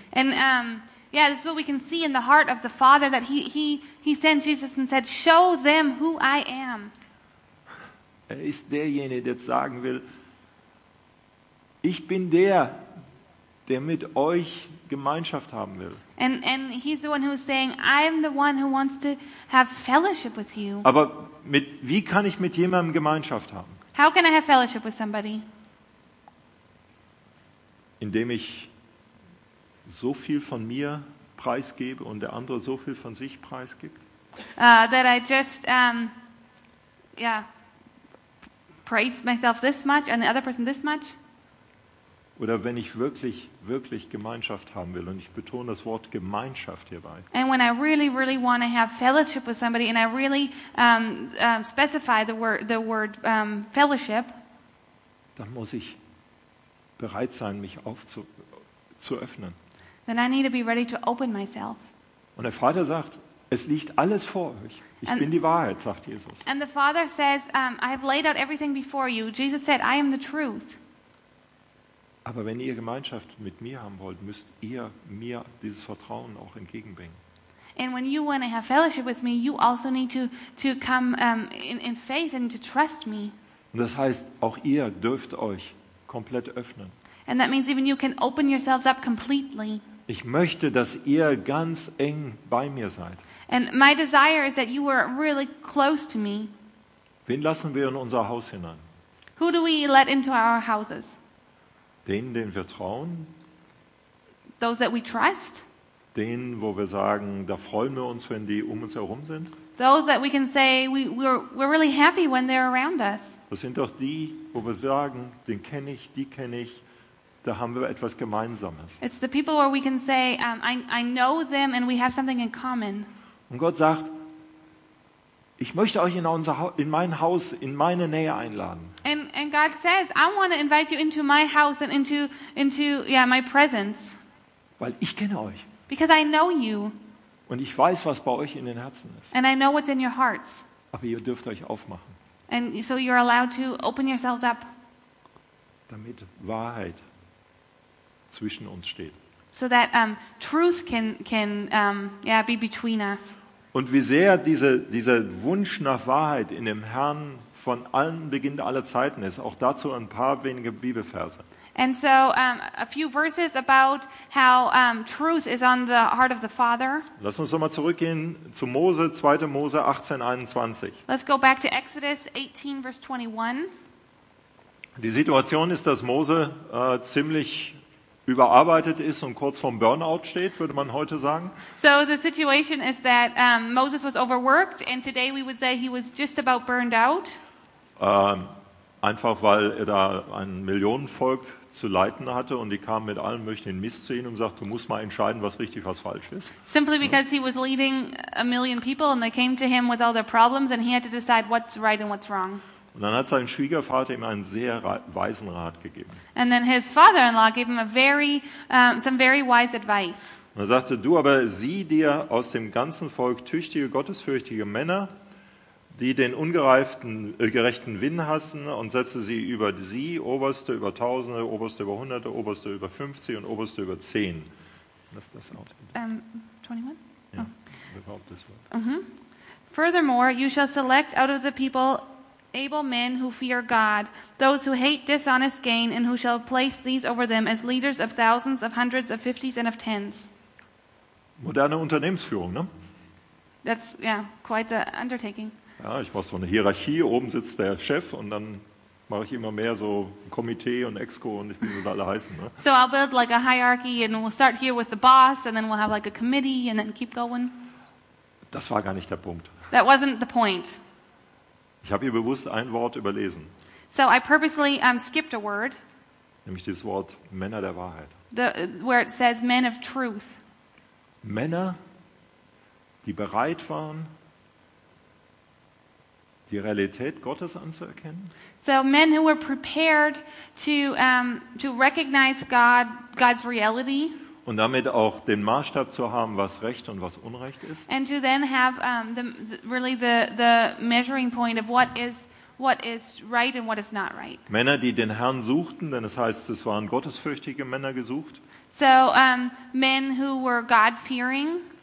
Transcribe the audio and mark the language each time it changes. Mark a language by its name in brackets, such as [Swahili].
[English] And yeah, this is what we can see in the heart of the Father, that he sent Jesus and said, show them who I am. [German] Er ist derjenige, der sagen will, ich bin der, der mit euch Gemeinschaft haben will. [English] And he's the one who's saying, I'm the one who wants to have fellowship with you. [German] Aber wie kann ich mit jemandem Gemeinschaft haben? [English] How can I have fellowship with somebody? [German] Indem ich so viel von mir preisgebe und der andere so viel von sich preisgibt. [English] That I just praise myself this much and the other person this much. [German] Oder wenn ich wirklich, wirklich Gemeinschaft haben will, und ich betone das Wort Gemeinschaft hierbei. [English] And when I really, really want to have fellowship with somebody, and I really specify the word fellowship, [German] dann muss ich bereit sein, mich zu öffnen. [English] Then I need to be ready to open myself. [German] Und der Vater sagt, es liegt alles vor euch. Ich bin die Wahrheit, sagt Jesus. [English] And the Father says, I have laid out everything before you. Jesus said, I am the truth. [German] Aber wenn ihr Gemeinschaft mit mir haben wollt, müsst ihr mir dieses Vertrauen auch entgegenbringen. [English] And when you want to have fellowship with me, you also need to come in faith and to trust me. [German] Und das heißt, auch ihr dürft euch komplett öffnen. [English] And that means even you can open yourselves up completely. [German] Ich möchte, dass ihr ganz eng bei mir seid. [English] And my desire is that you are really close to me. [German] Wen lassen wir in unser Haus hinein? [English] Who do we let into our houses? [German] Denen wir trauen. [English] Those that we trust. [German] Denen, wo wir sagen, da freuen wir uns, wenn die um uns herum sind. [English] Those that we can say we're really happy when they're around us. [German] Das sind doch die, wo wir sagen, den kenne ich, die kenne ich. Da haben wir etwas Gemeinsames. [English] It's the people where we can say, I know them and we have something in common. [German] Und Gott sagt, ich möchte euch in mein Haus, in meine Nähe einladen. [English] And God says, I want to invite you into my house and into my presence. [German] Weil ich kenne euch. [English] Because I know you. [German] Und ich weiß, was bei euch in den Herzen ist. [English] And I know what's in your hearts. [German] Aber ihr dürft euch aufmachen. [English] And so you're allowed to open yourselves up. [German] Damit Wahrheit zwischen uns steht. [English] So that truth can be between us. [German] Und wie sehr dieser Wunsch nach Wahrheit in dem Herrn von allen Beginn aller Zeiten ist, auch dazu ein paar wenige Bibelverse. [English] And so a few verses about how truth is on the heart of the Father. [German] Lass uns nochmal zurückgehen zu Mose, 2. Mose 18, 21. [English] Let's go back to Exodus 18, verse 21. [German] Die Situation ist, dass Mose ziemlich überarbeitet ist und kurz vorm Burnout steht, würde man heute sagen. [English] So the situation is that Moses was overworked and today we would say he was just about burned out. [German] Einfach weil er da ein Millionenvolk zu leiten hatte und die kamen mit allen möglichen Mist zu ihm und sagten, du musst mal entscheiden, was richtig, was falsch ist. [English] Simply because he was leading a million people and they came to him with all their problems and he had to decide what's right and what's wrong. [German] Und dann hat sein Schwiegervater ihm einen sehr weisen Rat gegeben. [English] And then his father-in-law gave him a very, some very wise advice. [German] Und er sagte, du aber sieh dir aus dem ganzen Volk tüchtige, gottesfürchtige Männer, die den ungereiften, gerechten Wind hassen und setze sie über sie, Oberste über Tausende, Oberste über Hunderte, Oberste über 50 und Oberste über 10. Lass das aus. 21? Ja, überhaupt das Wort. [English] Furthermore, you shall select out of the people able men who fear God, those who hate dishonest gain, and who shall place these over them as leaders of thousands, of hundreds, of fifties, and of tens. [German] Moderne Unternehmensführung, ne? [English] That's, yeah, quite the undertaking. [German] Ja, ich mache so eine Hierarchie, oben sitzt der Chef und dann mache ich immer mehr so Komitee und Exco und ich bin so da alle heißen. Ne? [English] So I'll build like a hierarchy and we'll start here with the boss and then we'll have like a committee and then keep going. [German] Das war gar nicht der Punkt. [English] That wasn't the point. [German] Ich habe hier bewusst ein Wort überlesen. [English] So I purposely skipped a word. [German] Nämlich das Wort Männer der Wahrheit. [English] Where it says men of truth. [German] Männer, die bereit waren, die Realität Gottes anzuerkennen. [English] So men who were prepared to recognize God's reality. [German] Und damit auch den Maßstab zu haben, was recht und was unrecht ist. [English] And to then have the measuring point of what is right and what is not right. [German] Männer, die den Herrn suchten, denn es heißt, es waren gottesfürchtige Männer gesucht. [English] So men who were God-fearing.